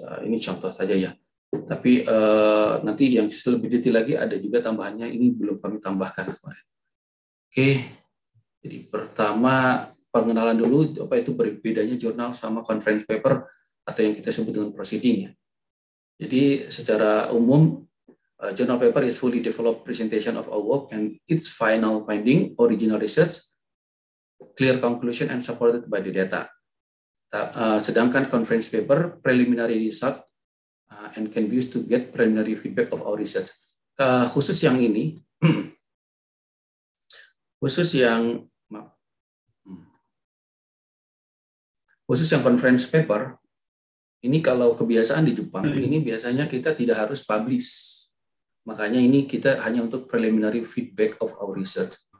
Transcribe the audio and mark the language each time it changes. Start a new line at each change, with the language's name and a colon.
Indonesian: Ini contoh saja ya. Tapi nanti yang lebih detail lagi ada juga tambahannya, ini belum kami tambahkan kemarin. Oke. Jadi pertama perkenalan dulu, apa itu bedanya jurnal sama conference paper atau yang kita sebut dengan proceeding. Jadi secara umum
English: journal paper is fully developed presentation of our work and its final finding, original research, clear conclusion, and supported by the data.
Indonesian: Sedangkan
English: conference paper, preliminary result, and can be used to get preliminary feedback of our research.
Indonesian: Khusus yang ini, khusus yang conference paper, ini kalau kebiasaan di Jepang, ini biasanya kita tidak harus publish. Makanya ini kita hanya untuk
English: preliminary feedback of our research.